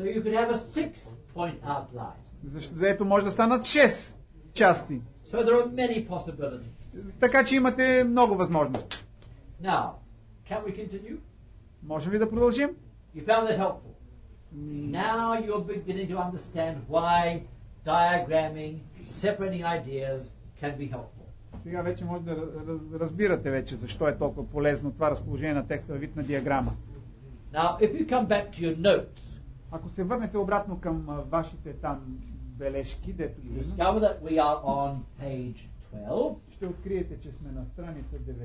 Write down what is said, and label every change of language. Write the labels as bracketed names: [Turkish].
[English] So you could have a six-point outline. [Bulgarian] Защото може да станат 6 части. [English] So there are many possibilities. [Bulgarian] Така че имате много възможности. [English] Now, can we continue? [Bulgarian] Можем ли да продължим? [English] You found that helpful. Now you're beginning to understand why diagramming, separating ideas can be helpful. [Bulgarian] Сега вече може да разбирате вече защо е толкова полезно това разположение на текста във вид на диаграма. [English] Now, if you come back to your notes, [Bulgarian] ако се върнете обратно към вашите там бележки, дето [English] you discover that we are on page 12. [Bulgarian] Ще откриете, че сме на страница